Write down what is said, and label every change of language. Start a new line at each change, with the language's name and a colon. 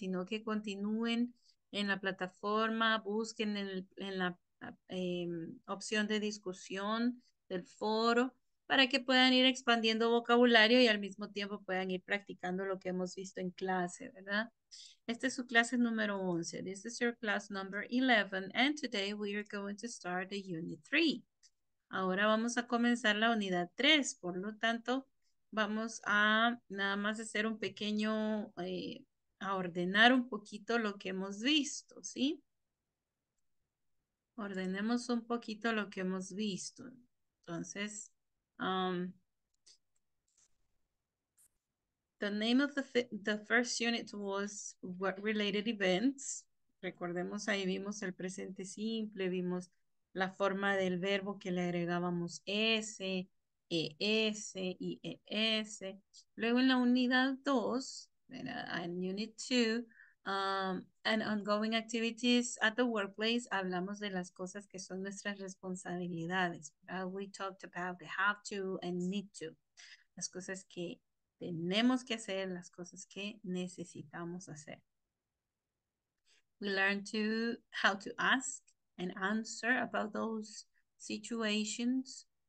Spanish: Sino que continúen en la plataforma, busquen en la opción de discusión del foro para que puedan ir expandiendo vocabulario y al mismo tiempo puedan ir practicando lo que hemos visto en clase, ¿verdad? Esta es su clase número 11.
English: This is your class number 11, and today we are going to start the unit 3.
Spanish: Ahora vamos a comenzar la unidad 3, por lo tanto, vamos a nada más hacer un pequeño, a ordenar un poquito lo que hemos visto, ¿sí? Ordenemos un poquito lo que hemos visto. Entonces,
English: the name of the first unit was work-related events.
Spanish: Recordemos, ahí vimos el presente simple, vimos la forma del verbo que le agregábamos S. ES y ES. Luego en la unidad 2, en
English: Unit 2, and ongoing activities at the workplace,
Spanish: hablamos de las cosas que son nuestras responsabilidades.
English: We talked about the have to and need to.
Spanish: Las cosas que tenemos que hacer, las cosas que necesitamos hacer.
English: We learned to how to ask and answer about those situations.